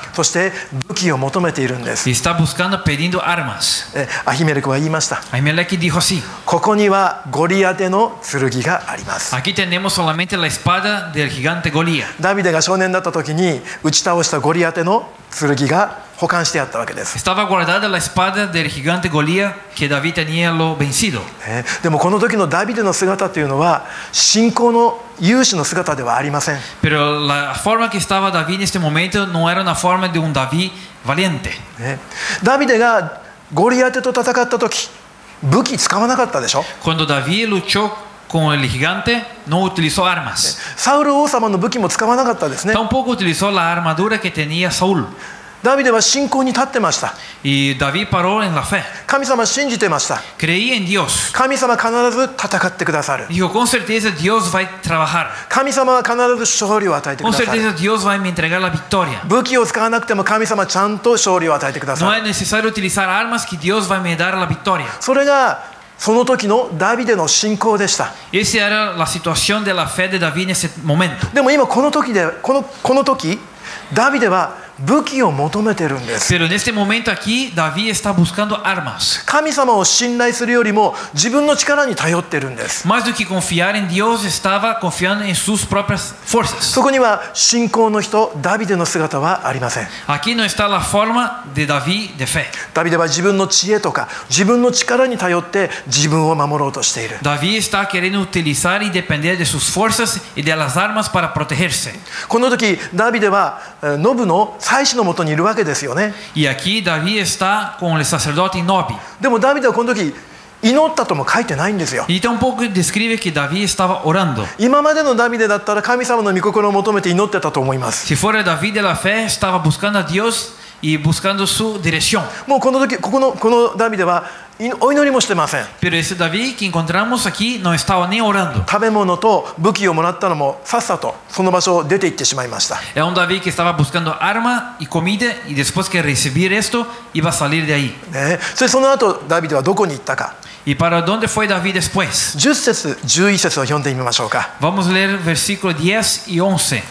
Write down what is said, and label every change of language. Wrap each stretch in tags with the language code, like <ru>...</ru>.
<ja>そして武器を求めているんです。</ja> <es>Y está buscando pidiendo armas.</es> <ja>アヒメレクは言いました。</ja> <es>Ahimelech dijo así.</es> <ja>ここにはゴリアテの剣があります。</ja> <es>Aquí tenemos solamente la espada del gigante Goliat.</es> <ja>ダビデが少年だった時に打ち倒したゴリアテの剣が保管してあったわけです。</ja> <es>Estaba guardada la espada del gigante Goliat que David tenía lo vencido.</es> <ja>でもこの時のダビデの姿というのは信仰の勇士の姿ではありません。</ja> <es>Pero la forma que estaba David en este momento no era una forma de un David valiente.</es> <ja>ダビデがゴリアテと戦った時、武器使わなかったでしょ。</ja> <es>Cuando David luchó con el gigante no utilizó armas.</es> <ja>サウル王様の武器も使わなかったですね。</ja> <es>Tampoco utilizó la armadura que tenía Saul.</es> <ja>ダビデは信仰に立ってました。</ja> <es>Y David paró en la fe.</es> <ja>神様信じてました。</ja> <es>Creí en Dios.</es> <ja>神様必ず戦ってくださる。</ja> <es>Dijo, con certeza Dios va a trabajar.</es> <ja>神様は必ず勝利を与えてくださる。</ja> <es>Con certeza Dios va a me entregar la victoria.</es> <ja>武器を使わなくても神様ちゃんと勝利を与えてくださる。</ja> <es>No es necesario utilizar armas que Dios va a me dar la victoria.</es> <ja>それがその時のダビデの信仰でした。</ja> <es>Esa era la situación de la fe de David en ese momento.</es> <ja>でも今この時でこの時ダビデは武器を求めてるんです。</ja> <es>Pero en este momento aquí, David está buscando armas.</es> <ja>神様を信頼するよりも自分の力に頼ってるんです。</ja> <es>Más do que confiar en Dios, estaba confiando en sus propias fuerzas.</es> <ja>そこには信仰の人、ダビデの姿はありません。</ja> <es>Aquí no está la forma de David de fe.</es> <ja>ダビデは自分の知恵とか自分の力に頼って自分を守ろうとしている。</ja> <es>David está queriendo utilizar y depender de sus fuerzas y de las armas para protegerse.</es> <ja>この時、ダビデはノブの祭司のもとにいるわけですよね。</ja> <es>Y aquí David está con el sacerdote Nobi.</es> <ja>でもダビデはこの時祈ったとも書いてないんですよ。</ja> <es>Y tampoco describe que David estaba orando.</es> <ja>今までのダビデだったら神様の御心を求めて祈ってたと思います。</ja> <es>Si fuera David de la fe, estaba buscando a Dios y buscando su dirección.</es> <ja>もうこの時このダビデはお祈りもしてません。</ja> <es>Pero ese David que encontramos aquí no estaba ni orando.</es> <ja>食べ物と武器をもらったのもさっさとその場所を出て行ってしまいました。</ja> <es>Era un David que estaba buscando arma y comida y después que recibir esto iba a salir de ahí.</es> <ja>その後ダビデはどこに行ったか。</ja> <es>Y para dónde fue David después?</es> <ja>10節、11節を読んでみましょうか。</ja> <es>Vamos a leer versículo 10 y 11.</es>